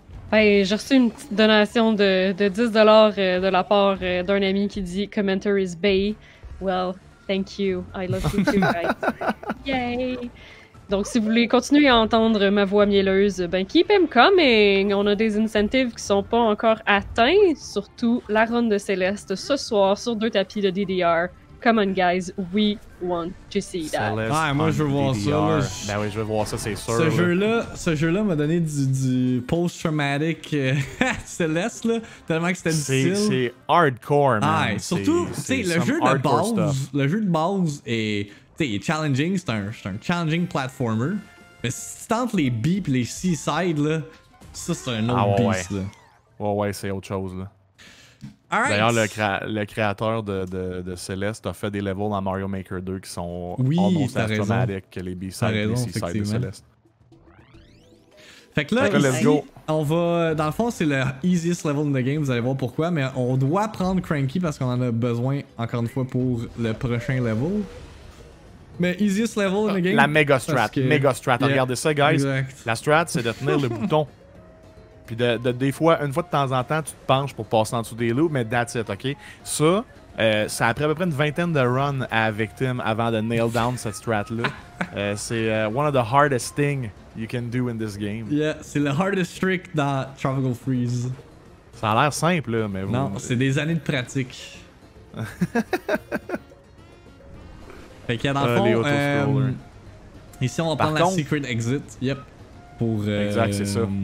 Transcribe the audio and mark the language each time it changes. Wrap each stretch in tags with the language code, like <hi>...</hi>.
<fr>Ben, j'ai reçu une petite donation de 10$ de la part d'un ami qui dit</fr> <en>Commenter is Bay. Well. Thank you, I love you too, guys. Yay!</en> <fr>Donc, si vous voulez continuer à entendre ma voix mielleuse, ben,</fr> <en>keep him coming!</en> <fr>On a des incentives qui sont pas encore atteints, surtout la run de Céleste ce soir sur deux tapis de DDR.</fr> <en>Come on, guys, we want to see that.</en> <fr>Ouais, moi, je veux voir DDR. Ça. Là, ben oui, je veux voir ça, c'est sûr. Ce jeu-là m'a donné du post-traumatic Céleste, là, tellement que c'était difficile. C'est hardcore, man. Ouais, surtout, tu sais, le jeu de base est, tu sais, challenging. C'est un</fr> <en>challenging platformer.</en> <fr>Mais si tu tentes les B et les C-side, là, ça, c'est un autre beast, là. Ouais, c'est autre chose, là.</fr> <en>Right.</en> <fr>D'ailleurs, le créateur de Céleste a fait des levels dans Mario Maker 2 qui sont</fr> <en>almost as dramatic</en> <fr>que les B-sides et C-sides de Céleste. Fait que là, dans le fond, c'est le</fr> <en>easiest level in the game,</en> <fr>vous allez voir pourquoi, mais on doit prendre Cranky parce qu'on en a besoin, encore une fois, pour le prochain level. Mais</fr> <en>easiest level in the game...</en> <fr>La méga strat, regardez ça, guys. Exact. La strat, c'est de tenir le bouton. Puis des fois, une fois de temps en temps, tu te penches pour passer en dessous des loups, mais</fr> <en>that's it,</en> <fr>OK? Ça, c'est après à peu près une vingtaine de runs à VIICTIIM avant de</fr> <en>nail down</en> <fr>cette strat-là. C'est</fr> <en>one of the hardest things you can do in this game.</en> <fr>Yeah, c'est le</fr> <en>hardest trick</en> <fr>dans Tropical Freeze. Ça a l'air simple, là, mais... Non, c'est des années de pratique. Fait qu'il y a dans le fond, ici, on va prendre la</fr> <en>secret exit.</en> <fr>Yep. Pour, exact, c'est ça.</fr>